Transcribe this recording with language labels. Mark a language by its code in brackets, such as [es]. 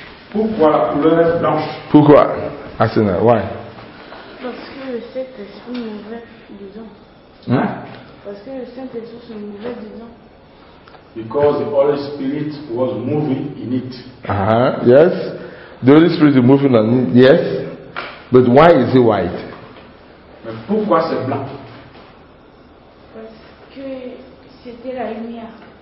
[fr] Pourquoi la couleur est blanche? Pourquoi? Asena, [en] why? [fr] Parce que le Saint-Esprit nous veut des gens. Hein? Parce que le Saint-Esprit nous veut des gens. [en] Because the Holy Spirit was moving in it. Yes. The Holy Spirit is moving in it, yes. But why is it white? [fr] Mais pourquoi c'est blanc? Parce que c'était la lumière.